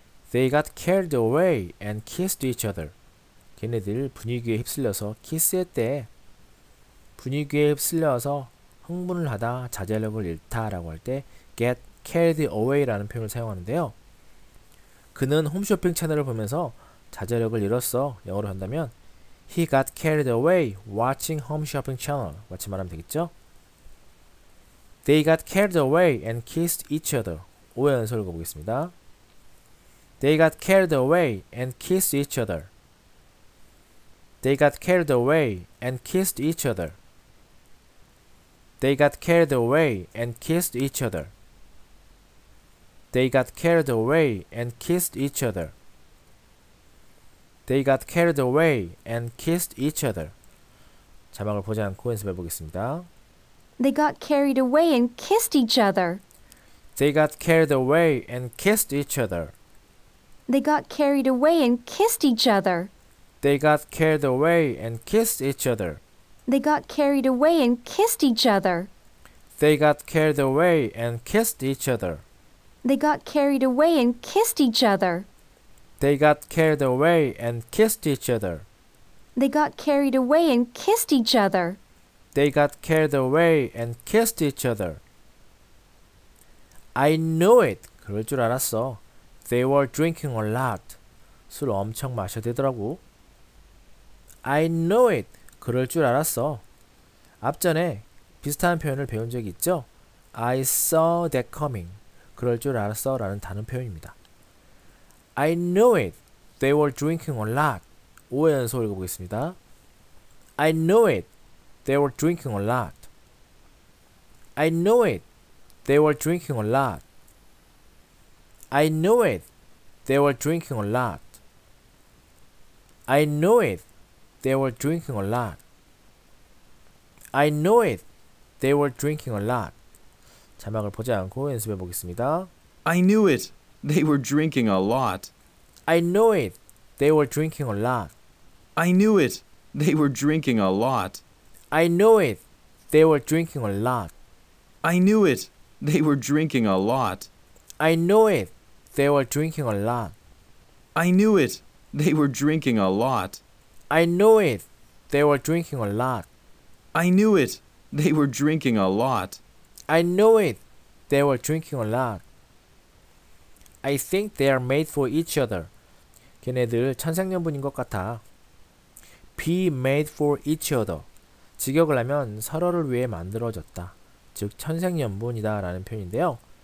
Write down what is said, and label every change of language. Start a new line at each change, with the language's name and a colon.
English: They got carried away and kissed each other.
Korean: 걔네들 분위기에 휩쓸려서 키스했대. 분위기에 휩쓸려서 흥분을 하다, 자제력을 잃다 라고 할 때
English: get carried away
Korean: 라는 표현을 사용하는데요. 그는 홈쇼핑 채널을 보면서 자제력을 잃었어. 영어로 한다면
English: He got carried away watching home shopping channel.
Korean: 같이 말하면 되겠죠?
English: They got carried away and kissed each other.
Korean: 5회 연속을 읽어보겠습니다.
English: They got carried away and kissed each other. They got carried away and kissed each other. They got carried away and kissed each other. They got carried away and kissed each other. They got carried away and kissed each other.
Korean: 자막을 보지 않고 연습해 보겠습니다.
English: They got carried away and kissed each other. They got carried away and kissed each other. They got carried away and kissed each other. They got carried away and kissed each other. They got carried away and kissed each other. They got carried away and kissed each other. They got carried away and kissed each other. They got carried away and kissed each other. They got carried away and kissed each other. They got carried away and kissed each other. I knew it.
Korean: 그럴 줄 알았어.
English: They were drinking a lot.
Korean: 술 엄청 마셔대더라고.
English: I know it.
Korean: 그럴 줄 알았어. 앞전에 비슷한 표현을 배운 적이 있죠?
English: I saw that coming.
Korean: 그럴 줄 알았어 라는 단어 표현입니다.
English: I know it. They were drinking a lot.
Korean: 5회 연속 읽어보겠습니다.
English: I know it. They were drinking a lot. I know it. They were drinking a lot. I knew it. They were drinking a lot. I knew it. They were drinking a lot. I knew it. They were drinking a lot.
Korean: 자막을 보지 않고 연습해 보겠습니다.
English: I knew it. They were drinking a lot. I knew it. They were drinking a lot. I knew it. They were drinking a lot. I knew it. They were drinking a lot. I knew it. They were drinking a lot. I knew it. They were drinking a lot. I knew it. They were drinking a lot. I knew it. They were drinking a lot. I knew it. They were drinking a lot. I knew it. They were drinking a lot. I think they are made for each other.
Korean: 걔네들 천생연분인 것 같아.
English: Be made for each other.
Korean: 직역을 하면 서로를 위해 만들어졌다. 즉 천생연분이다 라는 표현인데요.